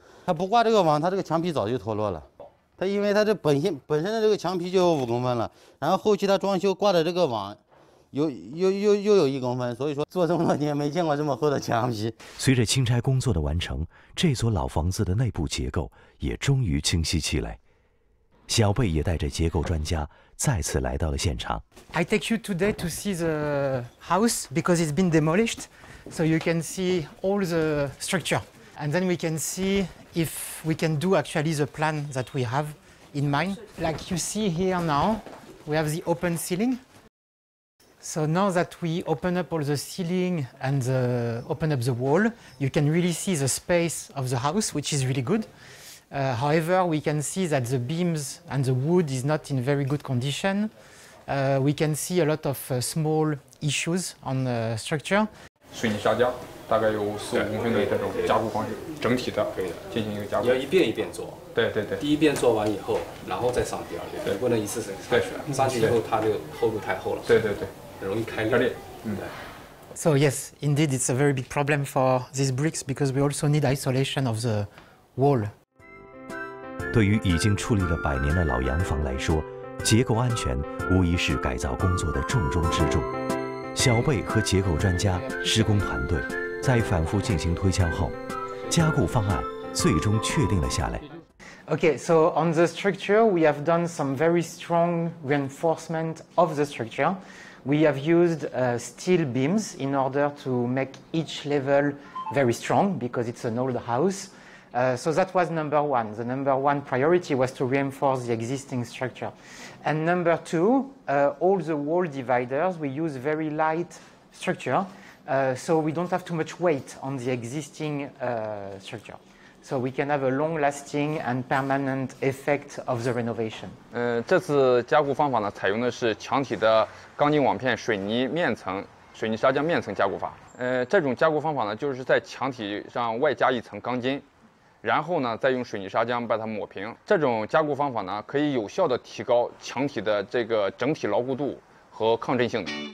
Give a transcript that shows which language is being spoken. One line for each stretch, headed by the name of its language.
Chinese: 它不挂这个网，它这个墙皮早就脱落了。它因为它这本身的这个墙皮就有5公分了，然后后期它装修挂的这个网，又有1公分，所以说做这么多年没见过这么厚的墙皮。随着清拆工作的完成，这所老房子的内部结构也终于清晰起来。小贝也带着结构专家再次来到了现场。
English: I take you today to see the house because it's been demolished, so you can see all the structure, and then we can see if we can do actually the plan that we have in mind. Like you see here now, we have the open ceiling. So now that we open up all the ceiling and the, open up the wall, you can really see the space of the house, which is really good. However, we can see that the beams and the wood is not in very good condition. We can see a lot of small issues on the structure.
Chinese: 水泥下架，大概有4-5公分的这种加固方式，整体的，可以的，进行一个加固。要一遍一遍做。对对对。第一遍做完以后，然后再上第二遍。对，不能一次性上去。对。上去以后，它这个厚度太厚了。对对对。容易开裂。开裂。嗯。
English: So yes, indeed, it's a very big problem for these bricks because we also need isolation of the wall.
Chinese: 对于已经矗立了百年的老洋房来说，结构安全无疑是改造工作的重中之重。小贝和结构专家、施工团队在反复进行推敲后，加固方案最终确定了下来。
English: Okay, so on the structure, we have done some very strong reinforcement of the structure. We have used steel beams in order to make each level very strong because it's an old house. So that was number one. The number one priority was to reinforce the existing structure. And number two, all the wall dividers, we use very light structure, so we don't have too much weight on the existing structure. So we can have a long-lasting and permanent effect of the renovation.
Chinese: 这次加固方法呢，采用的是墙体的钢筋网片水泥面层、水泥砂浆面层加固法。这种加固方法呢，就是在墙体上外加一层钢筋。然后呢，再用水泥砂浆把它抹平。这种加固方法呢，可以有效地提高墙体的这个整体牢固度和抗震性的。